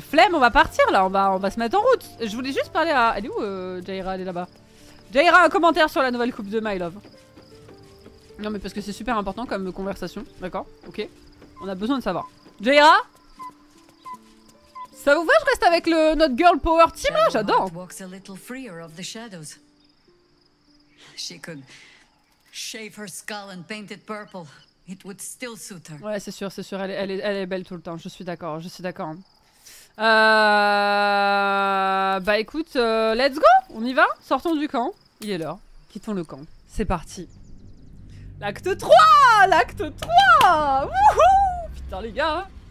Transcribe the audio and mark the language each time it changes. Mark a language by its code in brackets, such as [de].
[fr] Flemme, on va partir là. On va se mettre en route. Je voulais juste parler à. Elle est où, Jaira? Elle est là-bas. Jaira, un commentaire sur la nouvelle coupe de My Love. Non, mais parce que c'est super important comme conversation. D'accord, ok. On a besoin de savoir. Jaira, ça vous va, je reste avec le notre girl power team là, j'adore. [en] Walks a little freer of the shadows. She could shave her skull and paint it purple. It would still suit her. [fr] Ouais, c'est sûr, elle est belle tout le temps, je suis d'accord, je suis d'accord. Bah écoute, let's go, on y va, sortons du camp, il est l'heure, quittons le camp, c'est parti. L'acte 3, l'acte 3, wouhou, putain les gars.